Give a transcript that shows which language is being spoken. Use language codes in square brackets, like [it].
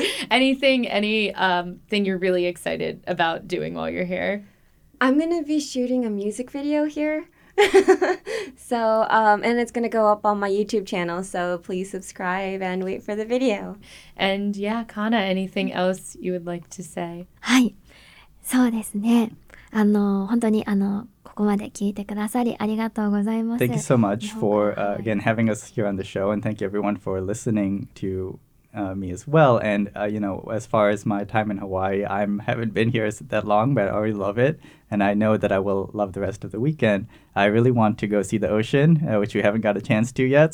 [en] Anything you're really excited about doing while you're here? I'm going to be shooting a music video here. So, and it's going to go up on my YouTube channel, so please subscribe and wait for the video. And yeah, Kana, anything else you would like to say? [ja] はい、そうですね。本当にここまで聞いてくださりありがとうございます。 [en] Thank you so much for, again, having us here on the show, and thank you everyone for listening to me as well. And, you know, as far as my time in Hawaii, I haven't been here that long, but I already love it. And I know that I will love the rest of the weekend. I really want to go see the ocean, which we haven't got a chance to yet.